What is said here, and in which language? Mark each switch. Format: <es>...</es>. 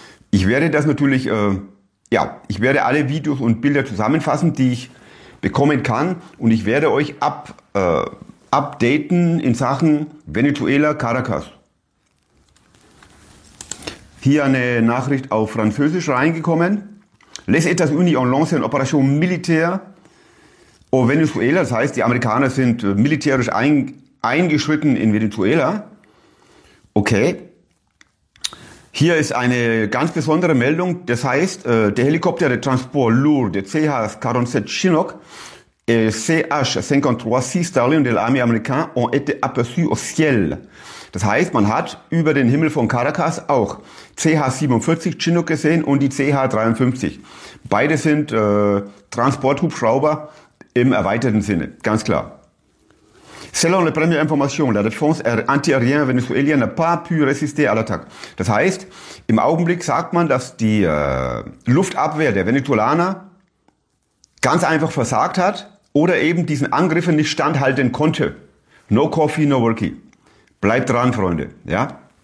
<de>Ich werde das natürlich, ich werde alle Videos und Bilder zusammenfassen, die ich bekommen kann, und ich werde euch updaten in Sachen Venezuela, Caracas. Hier eine Nachricht auf Französisch reingekommen.</de> <fr>Les États-Unis ont lancé une opération militaire au Venezuela.</fr> <de>Das heißt, die Amerikaner sind militärisch eingeschritten in Venezuela. Okay. Hier ist eine ganz besondere Meldung. Das heißt, der Helikopter, der Transport Lourdes, der</de> <fr>CH-47 Chinook, CH-53C Stallion de l'Armée américaine ont été aperçus au ciel.</fr> <de>Das heißt, man hat über den Himmel von Caracas auch CH-47 Chinook gesehen und die CH-53. Beide sind Transporthubschrauber im erweiterten Sinne, ganz klar.</de> <fr>Selon les premières informations, la défense antiaérienne vénézuélienne n'a pas pu résister à l'attaque.</fr> <de>Das heißt, im Augenblick sagt man, dass die Luftabwehr der Venezolaner ganz einfach versagt hat oder eben diesen Angriffen nicht standhalten konnte.</de> <en>No coffee, no worky.</en> <de>Bleibt dran, Freunde. Ja?</de>